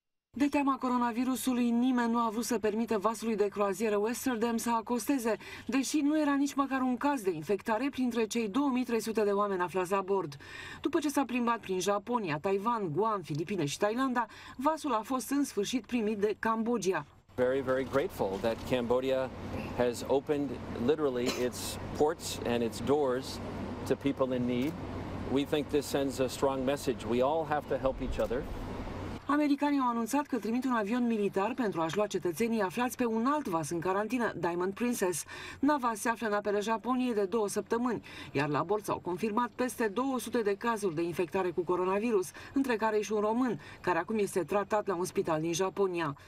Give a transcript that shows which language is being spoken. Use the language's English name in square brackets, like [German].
[Romanian] De teama coronavirusului, nimeni nu a vrut să permită vasului de croazieră Westerdam să acosteze, deși nu era nici măcar un caz de infectare printre cei 2300 de oameni aflați la bord. După ce s-a plimbat prin Japonia, Taiwan, Guam, Filipine și Thailanda, vasul a fost în sfârșit primit de Cambodgia. [English] Very, very grateful that Cambodia has opened literally its ports and its doors to people in need. We think this sends a strong message. We all have to help each other. [Romanian] Americanii au anunțat că trimit un avion militar pentru a-și lua cetățenii aflați pe un alt vas în carantină, Diamond Princess. Nava se află în apele Japoniei de 2 săptămâni, iar la bord s-au confirmat peste 200 de cazuri de infectare cu coronavirus, între care și un român, care acum este tratat la un spital din Japonia.